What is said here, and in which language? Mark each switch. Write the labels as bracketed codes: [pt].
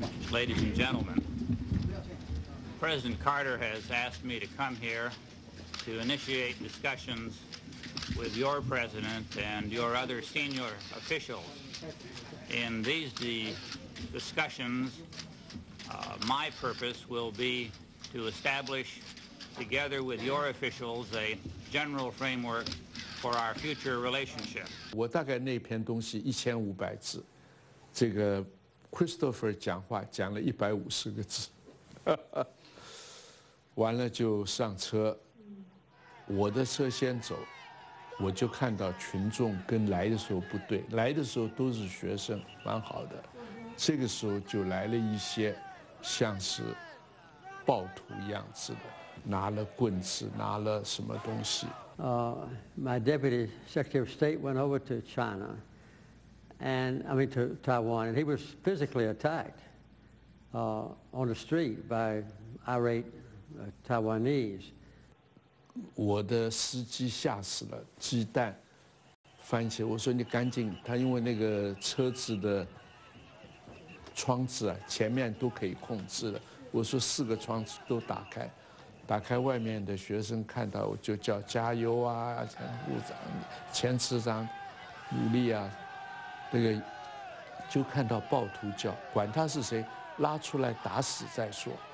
[en] Ladies and gentlemen, President Carter has asked me to come here to initiate discussions with your president and your other senior officials. In these discussions,my purpose will be to establish, together with your officials, a general framework for our future relationship. [zh] 我大概那篇东西1500字，这个 Christopher 讲话讲了150个字，完了就上车，我的车先走，我就看到群众跟来的时候不对，来的时候都是学生，蛮好的，这个时候就来了一些。像是暴徒样子的，拿了棍子，拿了什么东西。 [en] My deputy secretary of state went over to China, and I mean to Taiwan, and he was physically attacked on the street by irate Taiwanese. [zh] 我的司机吓死了，鸡蛋翻起，我说你赶紧，他因为那个车子的。窗子啊，前面都可以控制了。我说四个窗子都打开，打开外面的学生看到我就叫加油啊，前部长、前次长，努力啊，这个就看到暴徒叫，管他是谁，拉出来打死再说。